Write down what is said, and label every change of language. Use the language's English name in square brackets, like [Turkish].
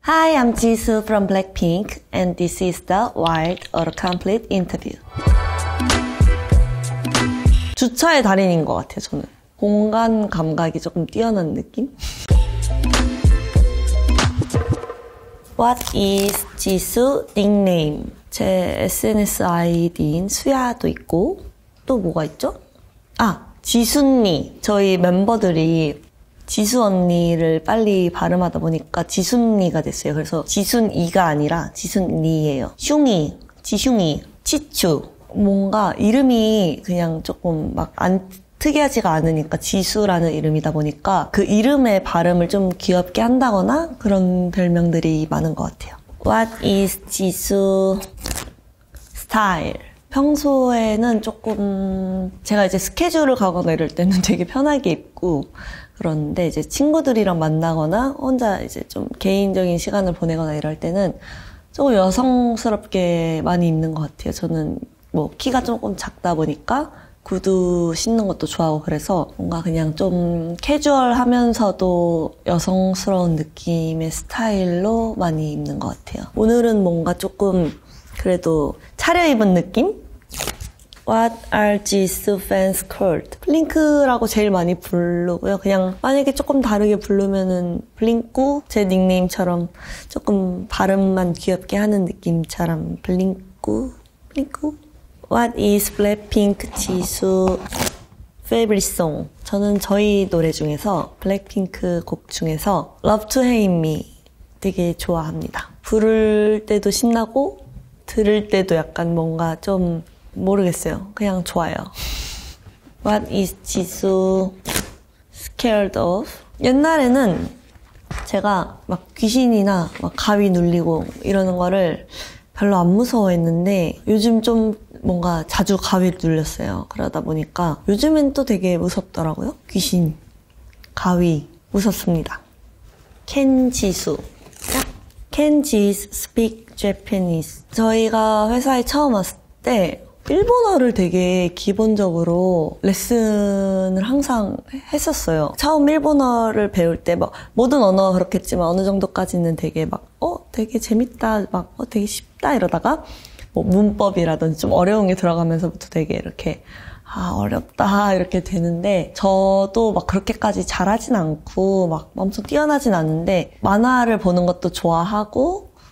[English] Hi, I'm Jisoo from Blackpink, and this is the Wild or Complete interview. [Korean] 주차의 달인인 것 같아요, 저는. 공간 감각이 조금 뛰어난 느낌? [English] What is Jisoo nickname? [Korean] 제 SNS 아이디인 수야도 있고, 또 뭐가 있죠? 아, 지순니. 저희 멤버들이 지수 언니를 빨리 발음하다 보니까 지순니가 됐어요. 그래서 지순이가 아니라 지순니예요. 슝이, 지슝이, 치추. 뭔가 이름이 그냥 조금 막 안 특이하지가 않으니까 지수라는 이름이다 보니까 그 이름의 발음을 좀 귀엽게 한다거나 그런 별명들이 많은 것 같아요. [English] What is 지수 style? [Korean] 평소에는 조금 제가 이제 스케줄을 가거나 이럴 때는 되게 편하게 입고 그런데 이제 친구들이랑 만나거나 혼자 이제 좀 개인적인 시간을 보내거나 이럴 때는 조금 여성스럽게 많이 입는 것 같아요. 저는 뭐 키가 조금 작다 보니까 구두 신는 것도 좋아하고 그래서 뭔가 그냥 좀 캐주얼하면서도 여성스러운 느낌의 스타일로 많이 입는 것 같아요. 오늘은 뭔가 조금 그래도 차려입은 느낌? [English] What are Jisoo fans called? [Korean] 블링크라고 제일 많이 부르고요. 그냥 만약에 조금 다르게 부르면은 블링꾸? 제 닉네임처럼 조금 발음만 귀엽게 하는 느낌처럼 블링꾸? 블링꾸? [English] What is Blackpink Jisoo favorite song? [Korean] 저는 저희 노래 중에서 블랙핑크 곡 중에서 Love to Hate Me 되게 좋아합니다. 부를 때도 신나고 들을 때도 약간 뭔가 좀 모르겠어요. 그냥 좋아요. [English] What is Jisoo scared of? [Korean] 옛날에는 제가 막 귀신이나 막 가위 눌리고 이러는 거를 별로 안 무서워했는데 요즘 좀 뭔가 자주 가위를 눌렸어요. 그러다 보니까 요즘엔 또 되게 무섭더라고요. 귀신, 가위, 무섭습니다. [English] Can Jisoo? Can Jisoo speak Japanese? [Korean] 저희가 회사에 처음 왔을 때 일본어를 되게 기본적으로 레슨을 항상 했었어요. 처음 일본어를 배울 때 막 모든 언어가 그렇겠지만 어느 정도까지는 되게 막 되게 재밌다, 막 되게 쉽다 이러다가 뭐 문법이라든지 좀 어려운 게 들어가면서부터 되게 이렇게 어렵다 이렇게 되는데 저도 막 그렇게까지 잘하진 않고 막 엄청 뛰어나진 않은데 만화를 보는 것도 좋아하고